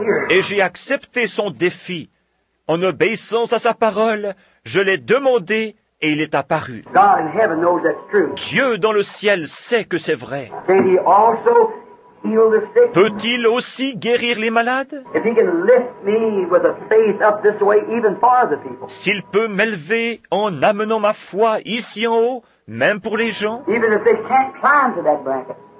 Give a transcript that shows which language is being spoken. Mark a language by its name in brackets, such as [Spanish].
[French] Et j'ai accepté son défi. En obéissance à sa parole, je l'ai demandé et il est apparu. [English] God in heaven knows that's true. [French] Dieu dans le ciel sait que c'est vrai. [English] Can he also heal the sick? [French] Peut-il aussi guérir les malades? [English] If he can lift me with a faith up this way, even for the people. [French] S'il peut m'élever en amenant ma foi ici en haut, même pour les gens. [English] Even if they can't climb to that bracket.